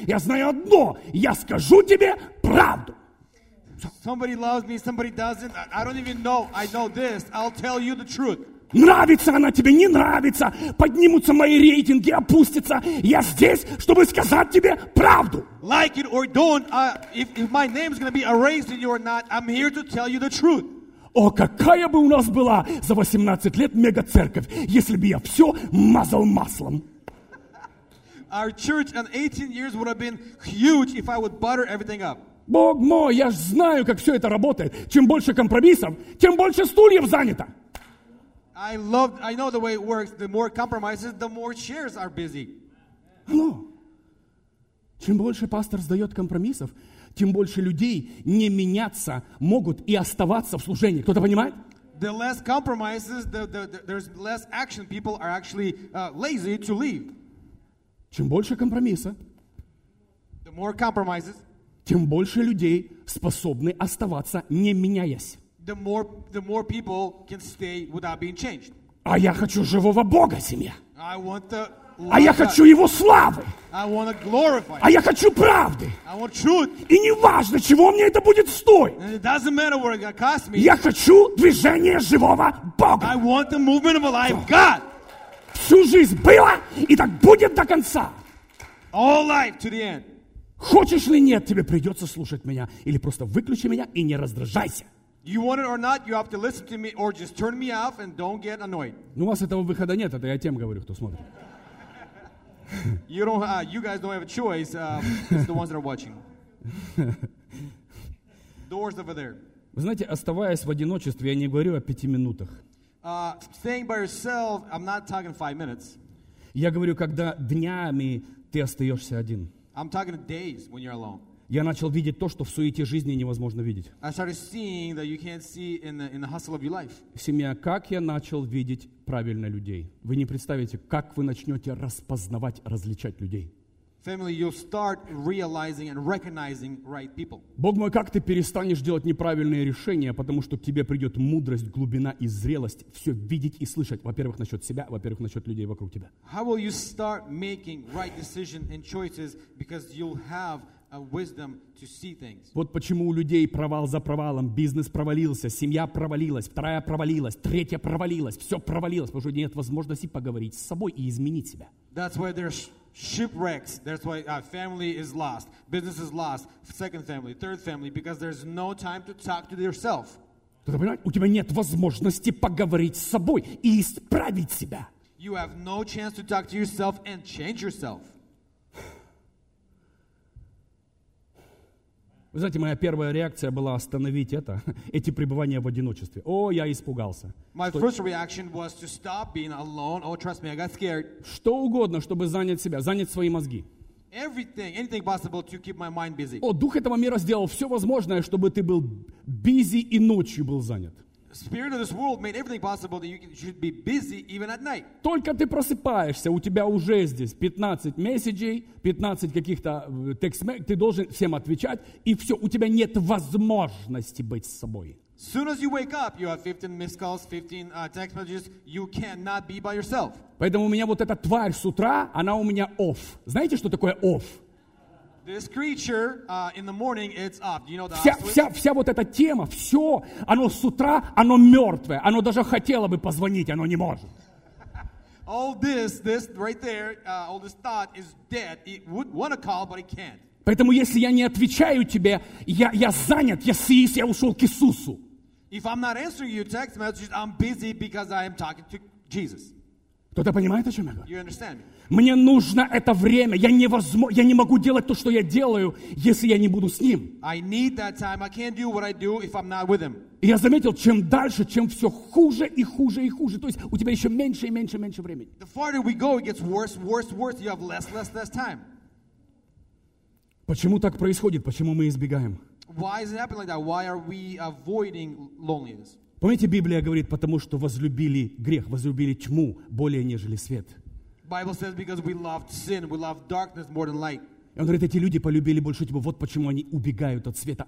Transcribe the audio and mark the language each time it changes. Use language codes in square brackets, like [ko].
[ru] Я знаю одно, я скажу тебе правду. [en] Somebody loves me, somebody doesn't. I don't even know, I know this. I'll tell you the truth. [ru] Нравится она тебе, не нравится. Поднимутся мои рейтинги, опустятся. Я здесь, чтобы сказать тебе правду. [en] Like it or don't, if my name is going to be erased in you or not, I'm here to tell you the truth. [ru] О, какая бы у нас была за 18 лет мега-церковь, если бы я все мазал маслом. [en] Our church in 18 years would have been huge if I would butter everything up. [ru] Бог мой, я ж знаю, как все это работает. Чем больше компромиссов, тем больше стульев занято. [en] I know the way it works. The more compromises, the more chairs are busy. Hello. [ru] Чем больше пастор сдает компромиссов, тем больше людей не меняться могут и оставаться в служении. Кто-то понимает? [en] The less compromises, there's less action. People are actually lazy to leave. [ru] Чем больше компромисса, [en] the more compromises, [ru] тем больше людей способны оставаться, не меняясь. [en] The more people can stay without being changed. [ru] А я хочу живого Бога, семья. [en] I want the [ru] А я хочу Его славы. [en] I want to glorify. [ru] А я хочу правды. [en] I want truth. [ru] И не важно, чего мне это будет стоить. [en] And it doesn't matter what it's going to cost me. [ru] Я хочу движение живого Бога. [en] I want the movement of a life God. [ru] Всю жизнь было, и так будет до конца. [en] All life to the end. [ru] Хочешь ли нет, тебе придется слушать меня. Или просто выключи меня и не раздражайся. [en] You want it or not, you have to listen to me or just turn me off and don't get annoyed. [ru] Ну, у вас этого выхода нет, это я тем говорю, кто смотрит. [en] You guys don't have a choice, it's the ones that are watching. Doors over there. [ru] Вы знаете, оставаясь в одиночестве, я не говорю о 5 минутах. [en] Staying by yourself, I'm not talking 5 minutes. [ru] Я говорю, когда днями ты остаешься один. [en] I'm talking days when you're alone. [ru] Я начал видеть то, что в суете жизни невозможно видеть. [en] I started seeing that you can't see in the hustle of your life. [ru] Семья, как я начал видеть правильно людей? Вы не представите, как вы начнете распознавать, различать людей. [en] Family, you'll start realizing and recognizing right people. [ru] Бог мой, как ты перестанешь делать неправильные решения, потому что к тебе придет мудрость, глубина и зрелость все видеть и слышать, во-первых, насчет себя, во-первых, насчет людей вокруг тебя. [en] How will you start making right decisions and choices because you'll have wisdom to see things. [ru] Вот почему у людей провал за провалом, бизнес провалился, семья провалилась, вторая провалилась, третья провалилась, все провалилось, потому что нет возможности поговорить с собой и изменить себя. [en] That's why there's shipwrecks. That's why family is lost, business is lost, second family, third family, because there's no time to talk to yourself. [ru] Ты понимаешь? У тебя нет возможности поговорить с собой и исправить себя. [en] You have no chance to talk to yourself and change yourself. [ru] Вы знаете, моя первая реакция была остановить это, эти пребывания в одиночестве. О, я испугался. [en] My first reaction was to stop being alone. Oh, trust me, I got scared. [ru] Что угодно, чтобы занять себя, занять свои мозги. [en] Everything, anything possible to keep my mind busy. [ru] О, дух этого мира сделал все возможное, чтобы ты был busy и ночью был занят. [en] Spirit of this world made everything possible that you should be busy even at night. [ru] Только ты просыпаешься, у тебя уже здесь 15 месседжей, 15 каких-то текст-мессенджеров, ты должен всем отвечать, и все, у тебя нет возможности быть с собой. [en] As soon as you wake up, you have 15 missed calls, 15 text messages, you cannot be by yourself. [ru] Поэтому у меня вот эта тварь с утра, она у меня off. Знаете, что такое off? [en] This creature in the morning it's up. Do you know that? [ru] Вся вот эта тема, все, оно с утра, оно мертвое. Оно даже хотело бы позвонить, оно не может. [en] All this right there, all this thought is dead. It would want to call, but it can't. [ru] Поэтому если я не отвечаю тебе, я занят, я ушел к Иисусу. [en] If I'm not answering your text message, I'm busy because I am talking to Jesus. [ru] Кто-то понимает, о чем я говорю? [en] You understand? [ru] Мне нужно это время. Я не могу делать то, что я делаю, если я не буду с Ним. [en] I need that time. I can't do what I do if I'm not with Him. [ru] И я заметил, чем дальше, чем все хуже и хуже и хуже. То есть у тебя еще меньше и меньше и меньше времени. [en] The farther we go, it gets worse, worse, worse. You have less, less, less time. [ru] Почему так происходит? Почему мы избегаем? [en] Why is it happening like that? Why are we avoiding loneliness? [ru] Помните, Библия говорит, потому что возлюбили грех, возлюбили тьму более, нежели свет. [en] Bible says because we loved sin, we loved darkness more than light. [ru] И он говорит, эти люди полюбили больше тьму. Вот почему они убегают от света.